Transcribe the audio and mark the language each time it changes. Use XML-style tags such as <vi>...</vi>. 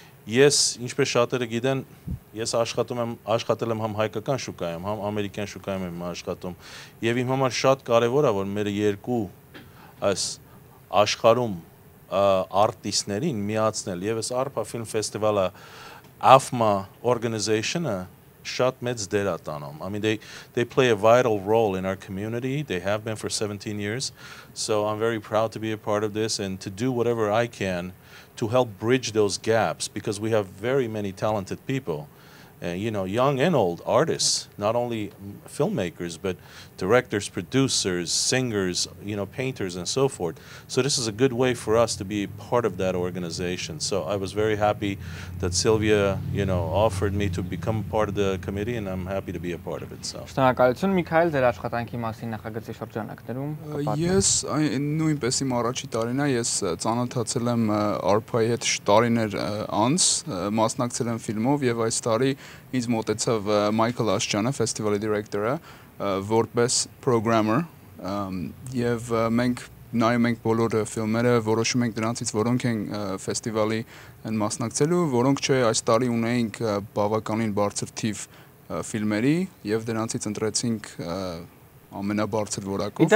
<hy>Ես, ինչպես շատերը գիտեն, ես աշխատել եմ համ հայկական շուկայում, համ ամերիկյան շուկայում եմ աշխատում, եւ իմ համար շատ կարեւոր է, որ մեր երկու այս աշխարհում արտիստներին միացնել, եւ այս Arpa Film Festival-ը AFMA organization-ը շատ մեծ դեր ա տանում.</hy> <en>I mean they play a vital role in our community. They have been for 17 years. So I'm very proud to be a part of this and to do whatever I can to help bridge those gaps, because we have very many talented people, you know, young and old artists, not only filmmakers, but directors, producers, singers, you know, painters and so forth. So this is a good way for us to be part of that organization. So I was very happy that Sylvia, you know, offered me to become part of the committee, and I'm happy to be a part of it. So</en> <hy>Շնորհակալություն Միքայել, ձեր աշխատանքի մասին նախագծի շրջանակներում։ Ես նույնպես իմ առաջի տարին ես ծանոթացել եմ Arpa-ի հետ տարիներ անց, մասնակցել եմ ֆիլմով, եւ այս տարի ինձ մոտեցավ Մայքլ Աշճանը, ֆեստիվալի դիրեկտորը, որպես programmer, եւ մենք նայում ենք բոլոր ֆիլմերը, որոշում ենք դրանցից որոնք են ֆեստիվալի են մասնակցելու, որոնք չէ, այս տարի ունենք բավականին բարձր թիվ ֆիլմերի, եւ դրանցից ընտրեցինք ամենաբարձր որակով։</hy>